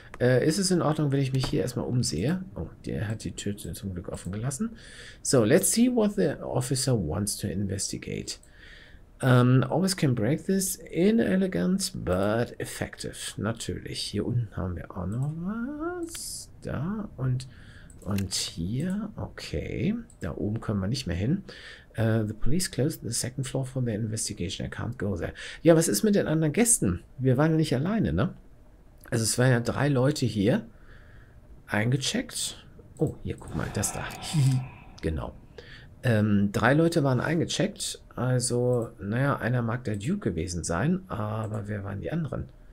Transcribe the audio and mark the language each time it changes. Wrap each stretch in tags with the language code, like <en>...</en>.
<de>Ist es in Ordnung, wenn ich mich hier erstmal umsehe? Oh, der hat die Tür zum Glück offen gelassen.</de> <en>So, let's see what the officer wants to investigate. Always can break this inelegant, but effective.</en> <de>Natürlich. Hier unten haben wir auch noch was. Da und hier. Okay. Da oben können wir nicht mehr hin.</de> <en>The police closed the second floor for their investigation. I can't go there.</en> <de>Ja, was ist mit den anderen Gästen? Wir waren ja nicht alleine, ne? Also es waren ja drei Leute hier eingecheckt. Oh, hier, guck mal, das da. Genau. Drei Leute waren eingecheckt. Also, naja, einer mag der Duke gewesen sein, aber wer waren die anderen?</de>